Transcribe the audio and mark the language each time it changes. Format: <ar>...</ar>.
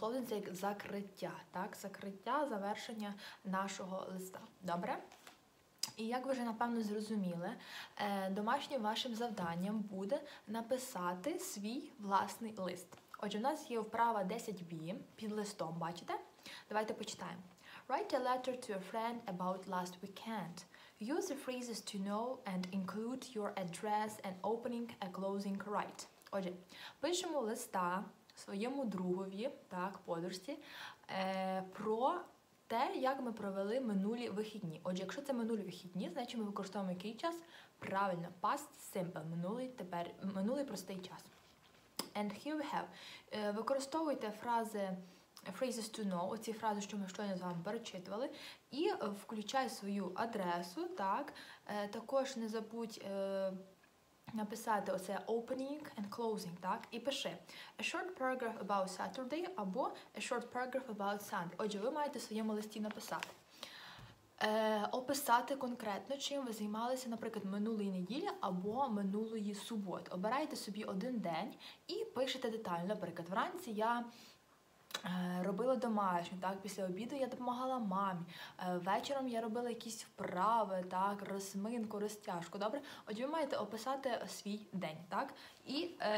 <uk>Closing – це як закриття, так? Закриття, завершення нашого листа. Добре? І як ви вже, напевно, зрозуміли, домашнім вашим завданням буде написати свій власний лист. Отже, у нас є вправа 10B під листом, бачите? Давайте почитаємо.</uk> <en>Write a letter to a friend about last weekend. Use the phrases to know and include your address and opening a closing write.</en> <uk>Отже, пишемо листа своєму другові, так, подорожці, про те, як ми провели минулі вихідні. Отже, якщо це минулі вихідні, значить ми використовуємо який час? Правильно, past simple, минулий тепер, минулий простий час.</uk> <en>And here we have.</en> <uk>Використовуйте фрази,</uk> <en>phrases to know,</en> <uk>оці фрази, що ми щойно з вами перечитували, і включай свою адресу, так, також не забудь написати оце</uk> <en>opening and closing,</en> <uk>так? І пиши</uk> <en>a short paragraph about Saturday або a short paragraph about Sunday.</en> <uk>Отже, ви маєте в своєму листі написати. Описати конкретно, чим ви займалися, наприклад, минулої неділі або минулої суботи. Обирайте собі один день і пишете детально. Наприклад, вранці я робила домашню, так, після обіду я допомагала мамі, вечором я робила якісь вправи, так, розминку, розтяжку, добре? Отже, ви маєте описати свій день, так, і</uk>